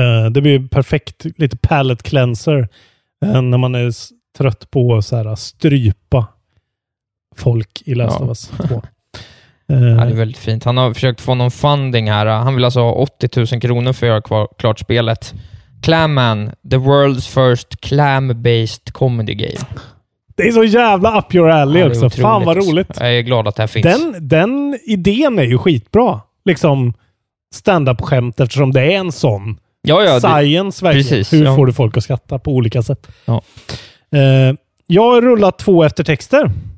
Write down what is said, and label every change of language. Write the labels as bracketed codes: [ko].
[sv] Det blir perfekt, lite palette cleanser. När man är trött på så här, strypa folk i Last of Us 2. Det är väldigt fint. Han har försökt få någon funding här. Han vill alltså ha 80 000 kronor för att göra klart spelet. [en] Clam Man, the world's first clam-based comedy game. [sv] Det är så jävla up your alley också. Fan vad roligt. Jag är glad att det här finns. Den idén är ju skitbra. Liksom stand-up-skämt eftersom det är en sån. Ja, science, verkligen. Precis, hur får du folk att skratta på olika sätt? Ja. Jag har rullat två eftertexter.